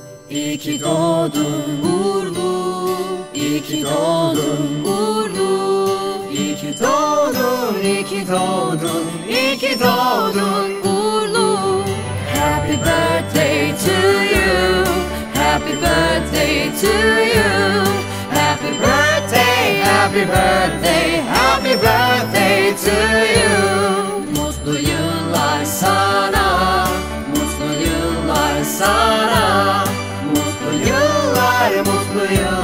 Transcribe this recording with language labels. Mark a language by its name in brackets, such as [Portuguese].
[Turkish] İyi ki doğdun Urlu, İyi ki doğdun Urlu, İyi ki doğdun, İyi ki doğdun, İyi ki doğdun Urlu. [English] Happy birthday to you, happy birthday to you, happy birthday, happy birthday, happy birthday to you. [Turkish] Mutlu yıllar sana, mutlu yıllar sana. Mutlu yıllar, mutlu yıllar.